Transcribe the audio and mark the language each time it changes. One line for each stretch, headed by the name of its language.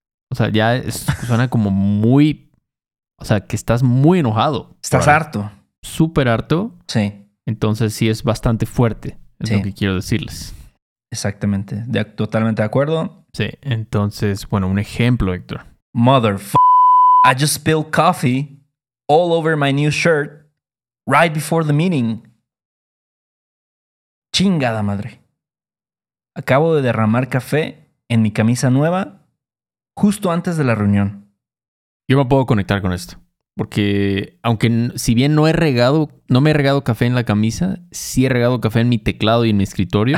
Spanish: O sea, ya suena como muy... O sea, que estás muy enojado. Estás harto. Súper harto. Sí. Entonces sí es bastante fuerte. Es lo que quiero decirles. Exactamente. Totalmente de acuerdo. Sí. Entonces, bueno, un ejemplo, Héctor.
English: Motherfucker, I just spilled coffee all over my new shirt right before the meeting.
Spanish: Chingada madre. Acabo de derramar café en mi camisa nueva justo antes de la reunión. Yo me puedo conectar con esto. Porque aunque si bien no me he regado café en la camisa, sí he regado café en mi teclado y en mi escritorio.